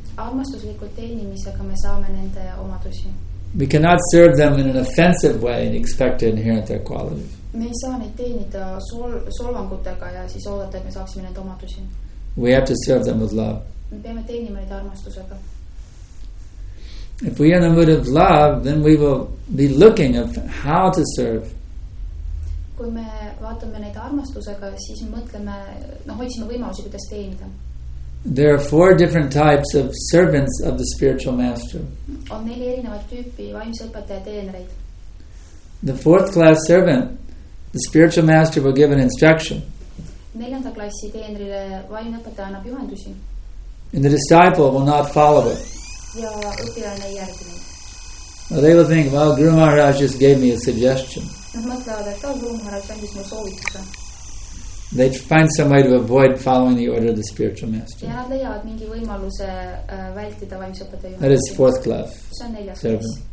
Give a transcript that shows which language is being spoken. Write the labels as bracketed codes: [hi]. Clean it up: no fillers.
[en] We cannot serve them in an offensive way and expect to inherit their qualities. [et] me ei saa neid teenida solvangutega ja siis oodata, et me saaksime need omadusi. [en] We have to serve them with love. [et] Me peame teenima neid armastusega. [en] If we are in the mood of love, then we will be looking at how to serve. [et] Kui me vaatame neid armastusega, siis me mõtleme, no hoidsime võimalusi, kuidas teenida. [en] There are four different types of servants of the spiritual master. [et] On neli erinevat tüüpi vaimse õpetaja teenreid. [en] The fourth class servant, the spiritual master will give an instruction. [et] Neljanda klassi teenrile vaimne õpetaja annab juhendusi. [en] And the disciple will not follow it. [et] Ja õpilane ei järgi. [en] Well, they will think, well, Guru Maharaj just gave me a suggestion. They find some way to avoid following the order of the spiritual master. That is fourth class servant.